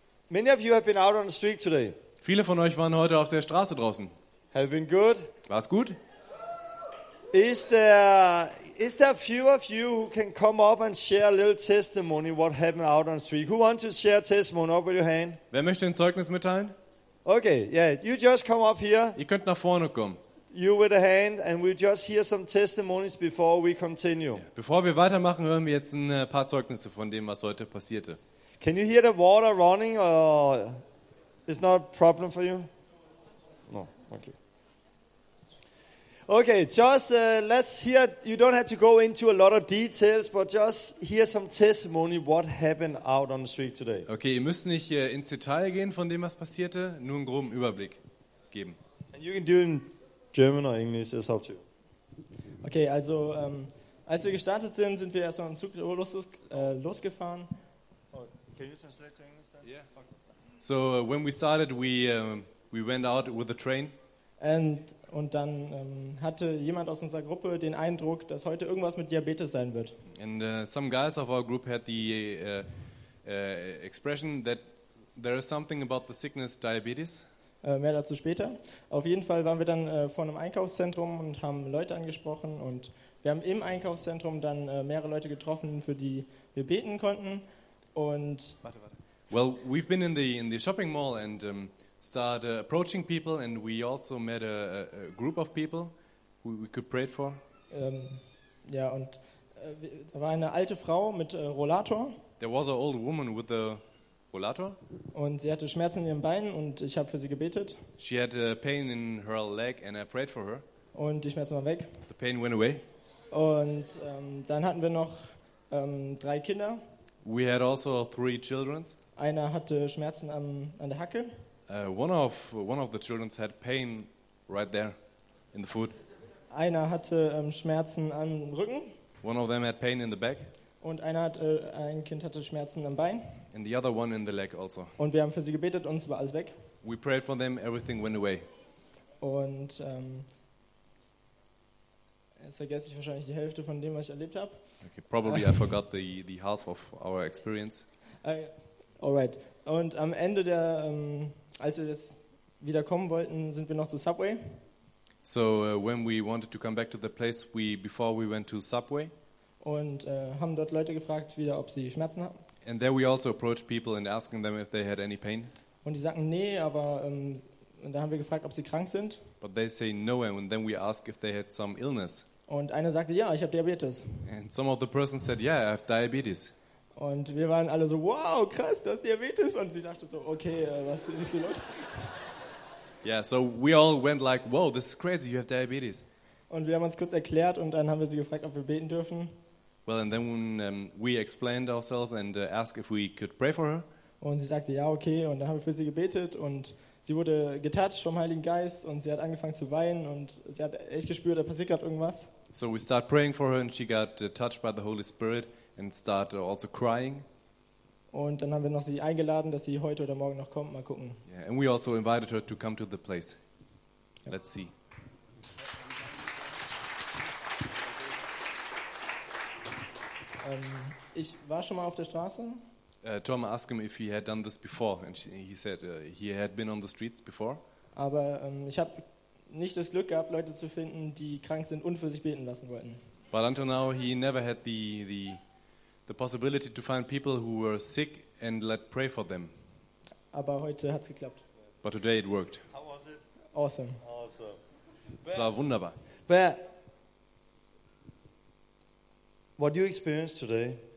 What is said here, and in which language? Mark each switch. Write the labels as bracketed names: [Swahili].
[English] Many of you have been out on the street today. [German] Viele von euch waren heute auf der Straße draußen. [English] Have been good? [German] War's gut? [English] Is there a few of you who can come up and share a little testimony what happened out on the street? Who wants to share a testimony? Up with your hand. [German] Wer möchte ein Zeugnis mitteilen? [English] Okay, yeah, you just come up here. [German] Ihr könnt nach vorne kommen. [English] You with a hand, and we'll just hear some testimonies before we continue. Yeah. [German] Bevor wir weitermachen, hören wir jetzt ein paar Zeugnisse von dem, was heute passierte. [English] Can you hear the water running, or is not a problem for you? No, okay. Okay, just let's hear, you don't have to go into a lot of details, but just hear some testimony what happened out on the street today. Okay, ihr müsst nicht ins Detail gehen von dem, was passierte, nur einen groben Überblick geben. And you can do it in German or English, it's up to you. [German] Okay, also als wir gestartet sind, sind wir erstmal im Zug losgefahren. [English] Can you translate to English then? Yeah. So when we started, we went out with the train. [German] Und dann hatte jemand aus unserer Gruppe den Eindruck, dass heute irgendwas mit Diabetes sein wird. [English] And some guys of our group had the expression that there is something about the sickness diabetes. [German] Mehr dazu später. Auf jeden Fall waren wir dann vor einem Einkaufszentrum und haben Leute angesprochen und wir haben im Einkaufszentrum dann mehrere Leute getroffen, für die wir beten konnten. Und warte. [English] Well, we've been in the shopping mall and started approaching people and we also met a group of people who we could pray for. [German] Da war eine alte Frau mit Rollator. [English] There was an old woman with a Rollator. [German] Und sie hatte Schmerzen in ihrem Bein und ich habe für sie gebetet. [English] She had a pain in her leg and I prayed for her. [German] Und die Schmerzen waren weg. [English] The pain went away. [German] Und dann hatten wir noch 3 Kinder. [English] We had also 3 children. [German] Einer hatte Schmerzen an der Hacke. [English] One of the children had pain right there in the foot. [German] Einer hatte Schmerzen am Rücken. [English] One of them had pain in the back. [German] Und ein Kind hatte Schmerzen am Bein. [English] And the other one in the leg also. [German] Und wir haben für sie gebetet und es war alles weg. [English] We prayed for them, everything went away. [German] Und jetzt vergesse ich wahrscheinlich die Hälfte von dem, was ich erlebt habe. [English] Okay, probably I forgot the half of our experience. Alright. [German] Und am Ende der als wir jetzt wieder kommen wollten, sind wir noch zu Subway. [English] So when we wanted to come back to the place before we went to Subway. [German] Und haben dort Leute gefragt, wieder ob sie Schmerzen haben. [English] And there we also approached people and asking them if they had any pain. [German] Und die sagten nee, aber da haben wir gefragt, ob sie krank sind. [English] But they say no, and then we ask if they had some illness. [German] Und einer sagte ja, ich habe Diabetes. [English] And some of the persons said yeah, I have diabetes. [German] Und wir waren alle so, wow, krass, du hast Diabetes. Und sie dachte so, okay, was ist hier los? [English] Yeah, so we all went like, wow, this is crazy, you have diabetes. [German] Und wir haben uns kurz erklärt und dann haben wir sie gefragt, ob wir beten dürfen. [English] Well, and then we explained ourselves and asked if we could pray for her. [German] Und sie sagte, ja, okay. Und dann haben wir für sie gebetet und sie wurde getouched vom Heiligen Geist und sie hat angefangen zu weinen und sie hat echt gespürt, da passiert gerade irgendwas. [English] So we start praying for her and she got touched by the Holy Spirit and start also crying. [German] Und dann haben wir noch sie eingeladen, dass sie heute oder morgen noch kommt, mal gucken. [English] Yeah, and we also invited her to come to the place. Yep. Let's see. [German] Ich war schon mal auf der Straße. [English] Tom asked him if he had done this before and he said he had been on the streets before. [German] Aber ich habe nicht das Glück gehabt, Leute zu finden, die krank sind und für sich beten lassen wollten. [English] But until now he never had the possibility to find people who were sick and let pray for them. [German] Aber heute hat's geklappt. [English] But today it worked. How was it? Awesome. Awesome. [German] Es war wunderbar. [English] But what you experienced today?